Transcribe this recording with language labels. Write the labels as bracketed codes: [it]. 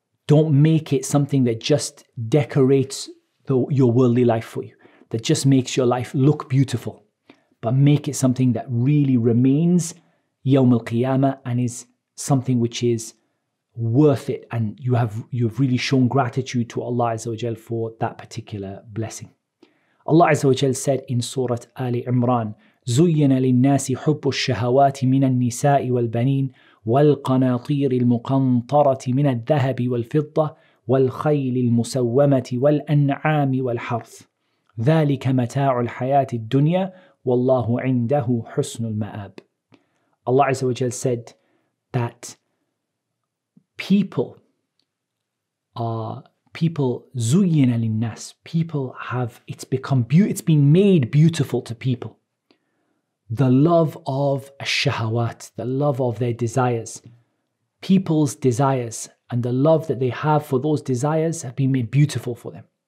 [en] Don't make it something that just decorates your worldly life for you, that just makes your life look beautiful, but make it something that really remains yawm al-qiyamah and is something which is worth it, and you've really shown gratitude to Allah Azza wa Jal for that particular blessing. Allah Azza wa Jal said in Surah Ali Imran, [ar] زُيِّنَ لِلنَّاسِ حُبُّ الشَّهَوَاتِ مِنَ النِّسَاءِ وَالْبَنِينَ وَالْقَنَاطِيرِ الْمُقَنْطَرَةِ مِنَ الذَّهَبِ وَالْفِضَّةِ والخيل المسومة والأنعام والحرث ذلك متاع الحياة الدنيا والله عنده حسن المآب. [en] Allah Azza wa Jal said that people are people [ar] زين للناس. [en] People have, it's become it's been made beautiful to people. The love of الشهوات, the love of their desires, people's desires and the love that they have for those desires have been made beautiful for them.